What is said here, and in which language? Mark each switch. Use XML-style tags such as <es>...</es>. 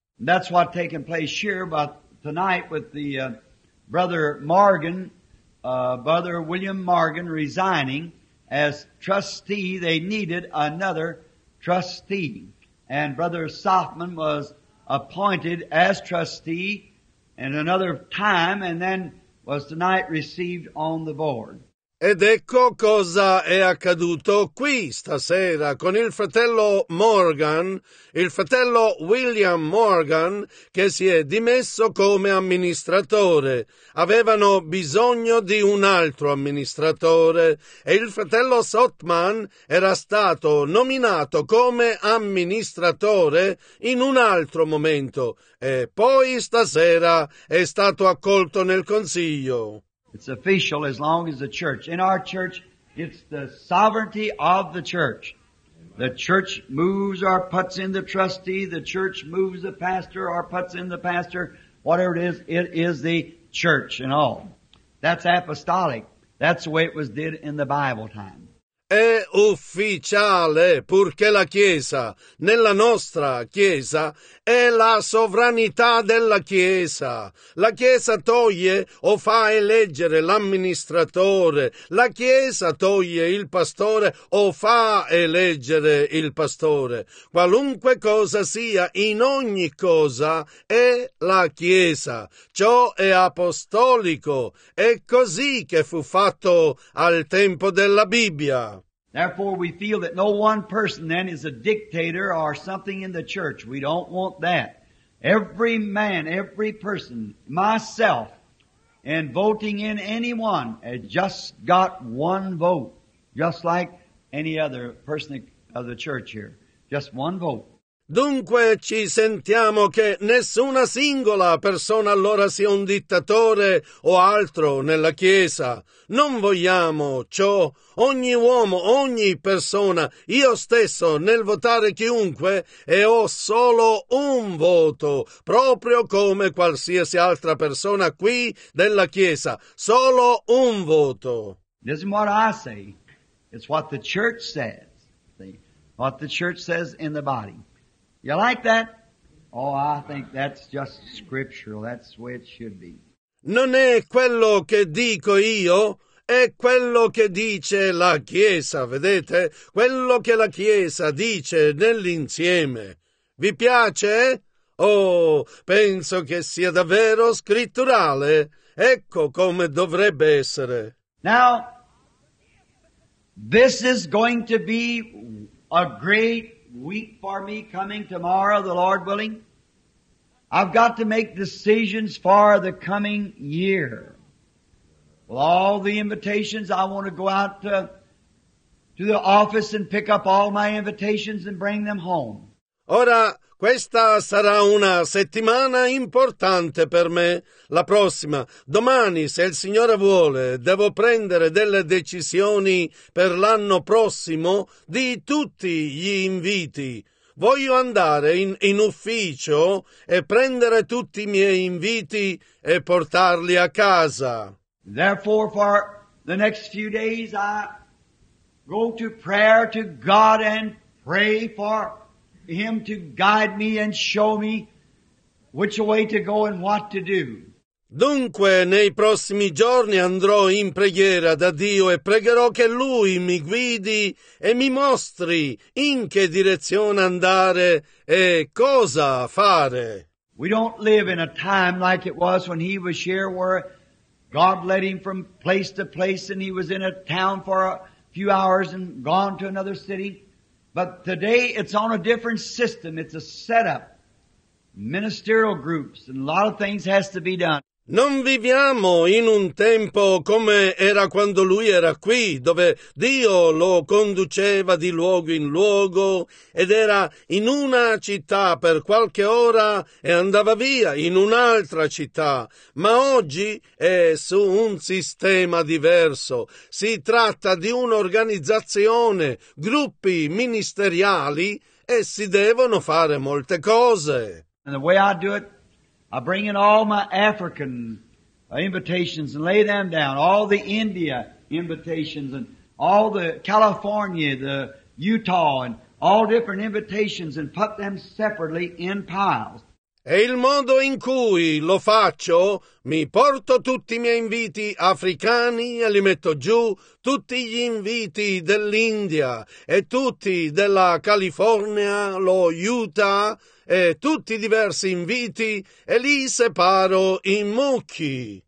<en>That's what taken place here, but tonight with the brother Morgan. Brother William Morgan resigning as trustee, they needed another trustee. And Brother Softman was appointed as trustee in another time and then was tonight received on the board.</en> <it>Ed ecco cosa è accaduto qui stasera con il fratello Morgan, il fratello William Morgan, che si è dimesso come amministratore. Avevano bisogno di un altro amministratore e il fratello Softman era stato nominato come amministratore in un altro momento e poi stasera è stato accolto nel consiglio.</it> <en>It's official as long as the church. In our church, it's the sovereignty of the church. The church moves or puts in the trustee. The church moves the pastor or puts in the pastor. Whatever it is the church and all. That's apostolic. That's the way it was did in the Bible time.</en> <it>È ufficiale, purché la Chiesa, nella nostra Chiesa, è la sovranità della Chiesa. La Chiesa toglie o fa eleggere l'amministratore. La Chiesa toglie il pastore o fa eleggere il pastore. Qualunque cosa sia, in ogni cosa, è la Chiesa. Ciò è apostolico. È così che fu fatto al tempo della Bibbia.</it> <en>Therefore, we feel that no one person then is a dictator or something in the church. We don't want that. Every man, every person, myself, and voting in anyone has just got one vote, just like any other person of the church here. Just one vote.</en> <it>Dunque ci sentiamo che nessuna singola persona allora sia un dittatore o altro nella Chiesa. Non vogliamo ciò. Ogni uomo, ogni persona, io stesso nel votare chiunque, e ho solo un voto, proprio come qualsiasi altra persona qui della Chiesa. Solo un voto.</it> <en>This is what I say. It's what the church says. See? What the church says in the body. You like that? Oh, I think that's just scriptural. That's the way it should be.</en> <it>Non è quello che dico io, è quello che dice la Chiesa, vedete? Quello che la Chiesa dice nell'insieme. Vi piace? Oh, penso che sia davvero scritturale. Ecco come dovrebbe essere.</it> <en>Now, this is going to be a great week for me coming tomorrow, the Lord willing. I've got to make decisions for the coming year. Well, all the invitations, I want to go out to the office and pick up all my invitations and bring them home.</en> <it>Ora, questa sarà una settimana importante per me, la prossima. Domani, se il Signore vuole, devo prendere delle decisioni per l'anno prossimo di tutti gli inviti. Voglio andare in ufficio e prendere tutti i miei inviti e portarli a casa.</it> <en>Therefore, for the next few days, I go to prayer to God and pray for Him to guide me and show me which way to go and what to do.</en> <it>Dunque, nei prossimi giorni andrò in preghiera da Dio e pregherò che Lui mi guidi e mi mostri in che direzione andare e cosa fare.</it> <en>We don't live in a time like it was when He was here, where God led Him from place to place and He was in a town for a few hours and gone to another city. But today it's on a different system. It's a setup. Ministerial groups and a lot of things has to be done.</en> <it>Non viviamo in un tempo come era quando lui era qui, dove Dio lo conduceva di luogo in luogo ed era in una città per qualche ora e andava via in un'altra città. Ma oggi è su un sistema diverso. Si tratta di un'organizzazione, gruppi ministeriali e si devono fare molte cose.</it> <en>And the way I do it, I bring in all my African invitations and lay them down, all the India invitations and all the California, the Utah and all different invitations and put them separately in piles.</en> <it>E il modo in cui lo faccio, mi porto tutti i miei inviti africani e li metto giù, tutti gli inviti dell'India e tutti della California, lo Utah e tutti i diversi inviti e li separo in mucchi.</it>